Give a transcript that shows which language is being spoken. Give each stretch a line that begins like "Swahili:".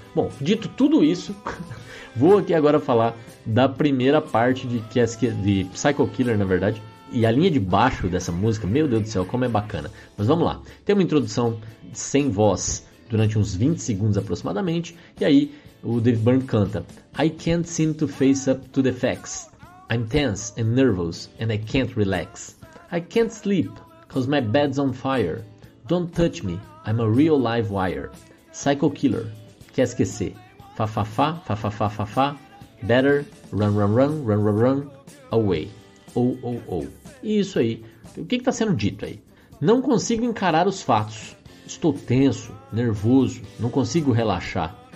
Portuguese: Bom, dito tudo isso, vou aqui agora falar da primeira parte de Psycho Killer, na verdade. E a linha de baixo dessa música, meu Deus do céu, como é bacana. Mas vamos lá. Tem uma introdução sem voz durante uns 20 segundos aproximadamente. E aí o Dave Byrne canta:
English: I can't seem to face up to the facts. I'm tense and nervous and I can't relax. I can't sleep. Cause my bed's on fire. Don't touch me, I'm a real live wire. Psycho killer,
French: quer esquecer?
English: Fa fa fa, fa fa fa fa fa. Better run run run, run run run. Away. Oh.
Portuguese: E isso aí, o que que tá sendo dito aí? Não consigo encarar os fatos. Estou tenso, nervoso, não consigo relaxar.